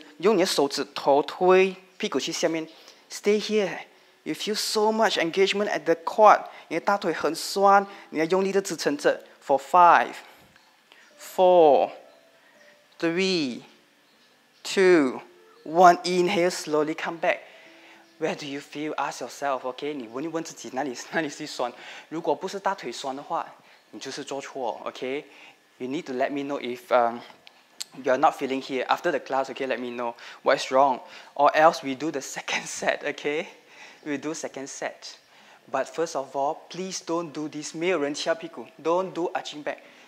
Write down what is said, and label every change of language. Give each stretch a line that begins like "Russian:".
Chinese: 一直用你的手指头推屁股去下面.
English: Stay here. You feel so much engagement at the quad.
Chinese: 你的大腿很酸, 你要用力的支撑着.
English: For 5, 4, 3, 2, 1, inhale, slowly come back. Where do you feel? Ask yourself, okay?
Chinese: 你问一问自己哪里是酸. 如果不是大腿酸的话, 你就是做错, okay?
English: You need to let me know if you're not feeling here. After the class, okay, let me know what's wrong. Or else we do the second set, okay? We do second set. But first of all, please don't do this.
Chinese: 没有人翘屁股.
English: Don't do arching back.